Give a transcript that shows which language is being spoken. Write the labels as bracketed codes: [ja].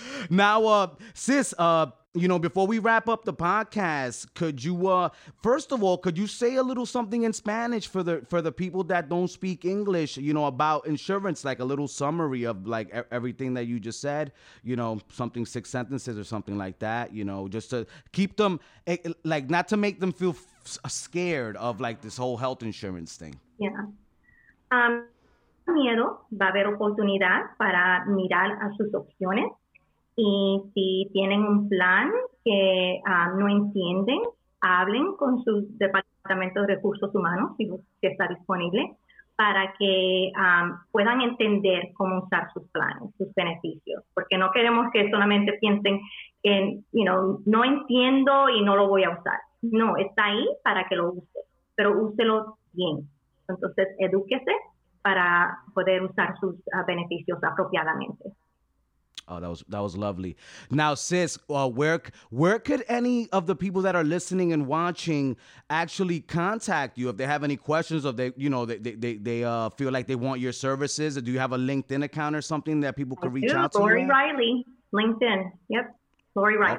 [en] Now, sis, you know, before we wrap up the podcast, could you, first of all, could you say a little something in Spanish for the people that don't speak English, you know, about insurance, like a little summary of like everything that you just said, you know, something, 6 sentences or something like that, you know, just to keep them, like, not to make them feel scared of like this whole health insurance thing. Yeah. [es] Miedo, va a haber oportunidad para mirar a sus opciones. Y si tienen un plan que no entienden, hablen con su departamento de recursos humanos, si está disponible, para que puedan entender cómo usar sus planes, sus beneficios. Porque no queremos que solamente piensen en, [en] you know, [es] no entiendo y no lo voy a usar. No, está ahí para que lo use, pero úselo bien. Entonces, edúquese para poder usar sus beneficios apropiadamente. [en] Oh, that was lovely. Now, sis, where could any of the people that are listening and watching actually contact you if they have any questions, or they feel like they want your services? Or do you have a LinkedIn account or something that people could reach out to? Lori Riley, LinkedIn. Yep, Lori Riley.